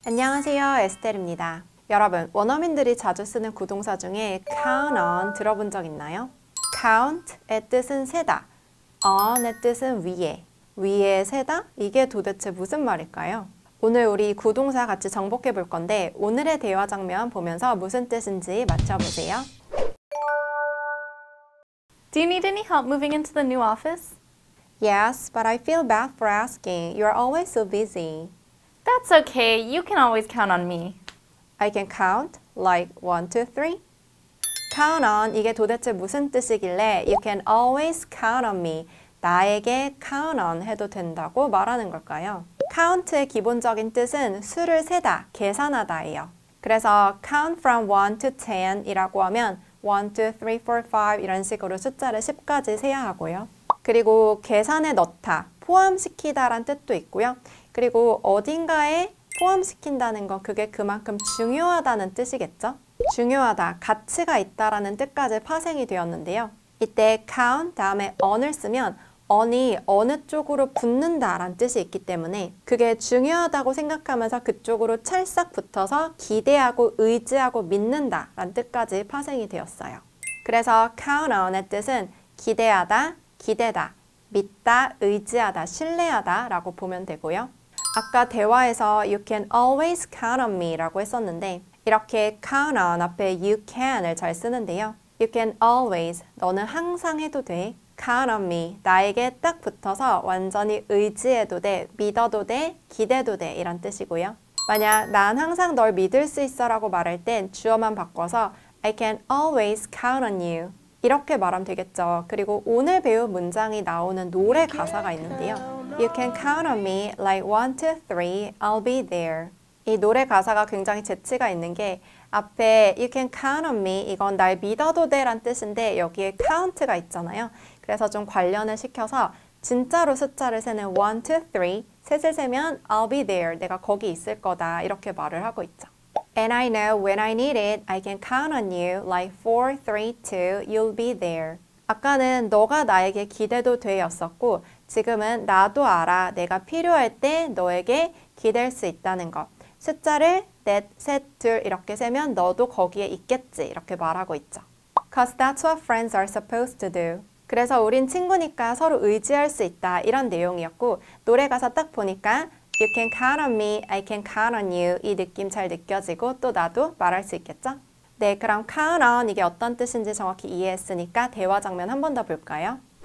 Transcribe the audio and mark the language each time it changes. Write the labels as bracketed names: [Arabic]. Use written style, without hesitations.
[Korean] 안녕하세요, 에스텔입니다. 여러분, 원어민들이 자주 쓰는 구동사 중에 count on 들어본 적 있나요? count의 뜻은 세다, on의 뜻은 위에, 위에 세다? 이게 도대체 무슨 말일까요? 오늘 우리 구동사 같이 정복해 볼 건데, 오늘의 대화 장면 보면서 무슨 뜻인지 맞춰보세요. [English] Do you need any help moving into the new office? Yes, but I feel bad for asking. You're always so busy. That's okay. You can always count on me. I can count like 1, 2, 3. Count on [Korean] 이게 도대체 무슨 뜻이길래 [English] You can always count on me. [Korean] 나에게 count on 해도 된다고 말하는 걸까요? count의 기본적인 뜻은 수를 세다, 계산하다예요. 그래서 [English] count from 1 to 10 [Korean] 이라고 하면 1, 2, 3, 4, 5 이런 식으로 숫자를 10까지 세야 하고요. 그리고 계산에 넣다, 포함시키다 란 뜻도 있고요. 그리고 어딘가에 포함시킨다는 건 그게 그만큼 중요하다는 뜻이겠죠? 중요하다, 가치가 있다라는 뜻까지 파생이 되었는데요. 이때 count 다음에 on을 쓰면 on이 어느 쪽으로 붙는다라는 뜻이 있기 때문에 그게 중요하다고 생각하면서 그쪽으로 찰싹 붙어서 기대하고 의지하고 믿는다라는 뜻까지 파생이 되었어요. 그래서 count on의 뜻은 기대하다, 기대다, 믿다, 의지하다, 신뢰하다 라고 보면 되고요. 아까 대화에서 [English] you can always count on me [Korean] 라고 했었는데 이렇게 count on 앞에 you can을 잘 쓰는데요. [English] you can always, [Korean] 너는 항상 해도 돼. [English] count on me, [Korean] 나에게 딱 붙어서 완전히 의지해도 돼, 믿어도 돼, 기대도 돼 이런 뜻이고요. 만약 난 항상 널 믿을 수 있어 라고 말할 땐 주어만 바꿔서 [English] I can always count on you [Korean] 이렇게 말하면 되겠죠. 그리고 오늘 배운 문장이 나오는 노래 가사가 있는데요. [English] You can count on me like 1, 2, 3, I'll be there. [Korean] 이 노래 가사가 굉장히 재치가 있는 게 앞에 You can count on me, 이건 날 믿어도 돼 라는 뜻인데 여기에 count가 있잖아요. 그래서 좀 관련을 시켜서 진짜로 숫자를 세는 1, 2, 3, 셋을 세면 I'll be there, 내가 거기 있을 거다 이렇게 말을 하고 있죠. [English] And I know when I need it, I can count on you like 4, 3, 2, you'll be there. [Korean] 아까는 너가 나에게 기대도 되었었고 지금은 나도 알아, 내가 필요할 때 너에게 기댈 수 있다는 것. 숫자를 넷, 셋, 둘 이렇게 세면 너도 거기에 있겠지 이렇게 말하고 있죠. [English] 'Cause that's what friends are supposed to do. [Korean] 그래서 우린 친구니까 서로 의지할 수 있다 이런 내용이었고 노래 가사 딱 보니까 [English] You can count on me, I can count on you [Korean] 이 느낌 잘 느껴지고 또 나도 말할 수 있겠죠? 네, 그럼 count on 이게 어떤 뜻인지 정확히 이해했으니까 대화 장면 한 번 더 볼까요?